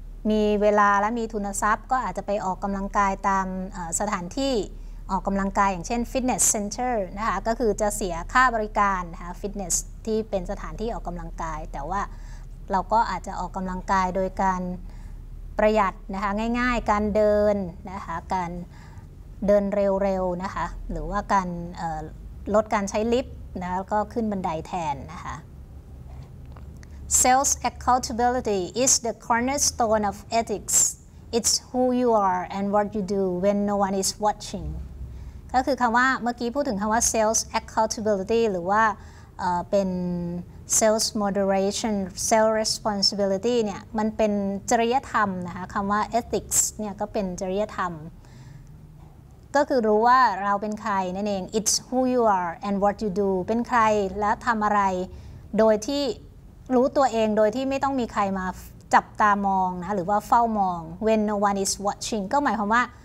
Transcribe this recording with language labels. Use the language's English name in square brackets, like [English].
[Thai] มีเวลาและมีทุนทรัพย์ก็อาจจะไปออกกำลังกายตามสถานที่ออกกำลังกายอย่างเช่นฟิตเนสเซ็นเตอร์นะคะก็คือจะเสียค่าบริการนะคะฟิตเนสที่เป็นสถานที่ออกกำลังกายแต่ว่าเราก็อาจจะออกกำลังกายโดยการประหยัดนะคะง่ายๆการเดินนะคะการ เดินเร็วๆนะคะหรือว่าการลดการใช้ลิฟต์นะก็ขึ้นบันไดแทนนะคะ [English] Sales accountability is the cornerstone of ethics. It's who you are and what you do when no one is watching. [Thai] ก็คือคำว่าเมื่อกี้พูดถึงคำว่า sales accountability หรือว่าเป็น sales moderation, sales responsibility เนี่ยมันเป็นจริยธรรมนะคะคำว่า ethics เนี่ยก็เป็นจริยธรรมก็คือรู้ว่าเราเป็นใครนั่นเอง [English] It's who you are and what you do [Thai] เป็นใครและทำอะไรโดยที่รู้ตัวเองโดยที่ไม่ต้องมีใครมาจับตามองนะหรือว่าเฝ้ามอง [English] When no one is watching [Thai] ก็หมายความว่า